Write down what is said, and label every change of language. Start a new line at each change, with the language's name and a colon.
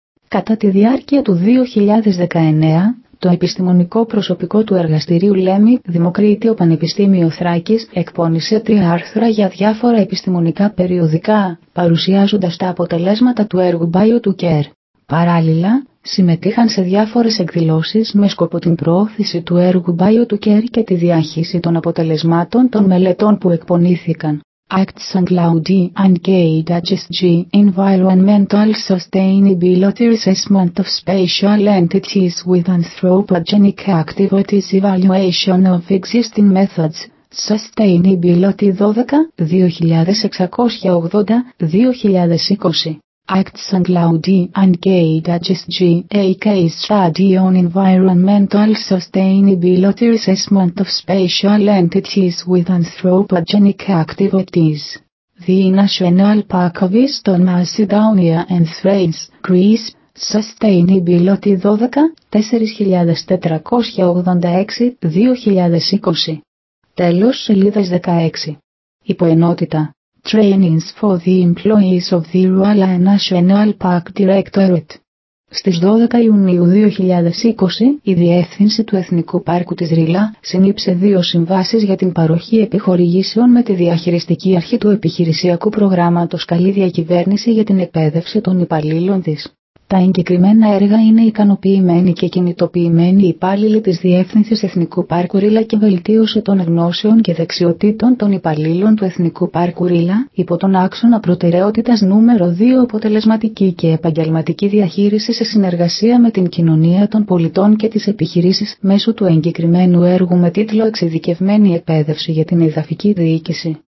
Greek: Κατά τη διάρκεια του 2019, το επιστημονικό προσωπικό του εργαστηρίου Λέμι, Δημοκρίτιο Πανεπιστήμιο Θράκης, εκπώνησε 3 άρθρα για διάφορα επιστημονικά περιοδικά, παρουσιάζοντας τα αποτελέσματα του έργου Bio2Care. Παράλληλα, συμμετείχαν σε διάφορες εκδηλώσεις με σκοπό την προώθηση του έργου Bio2Care και τη διάχυση των αποτελεσμάτων των μελετών που εκπονήθηκαν.
English: Acts and Cloud and KHSG Environmental Sustainability Assessment of Spatial Entities with Anthropogenic Activities Evaluation of Existing Methods Sustainability 12-2680-2020. Acts and Cloud and KHSG A case study on environmental sustainability assessment of spatial entities with anthropogenic activities. The National Park of Eastern Macedonia and Thrace, Greece, Sustainability 12-4486-2020.
Greek: Τέλος σελίδας 16. Υποενότητα.
English: Trainings for the employees of the Ruala National Park Directorate.
Greek: Στις 12 Ιουνίου 2020, η Διεύθυνση του Εθνικού Πάρκου της Ρίλα συνύψε 2 συμβάσεις για την παροχή επιχορηγήσεων με τη Διαχειριστική Αρχή του Επιχειρησιακού Προγράμματος Καλή Διακυβέρνηση για την εκπαίδευση των υπαλλήλων της. Τα εγκεκριμένα έργα είναι ικανοποιημένοι και κινητοποιημένοι υπάλληλοι της Διεύθυνσης Εθνικού Πάρκου Ρίλα και βελτίωση των γνώσεων και δεξιοτήτων των υπαλλήλων του Εθνικού Πάρκου Ρίλα υπό τον άξονα προτεραιότητας νούμερο 2 αποτελεσματική και επαγγελματική διαχείριση σε συνεργασία με την κοινωνία των πολιτών και τις επιχειρήσεις μέσω του εγκεκριμένου έργου με τίτλο Εξειδικευμένη Εκπαίδευση για την Εδαφική Διοίκηση.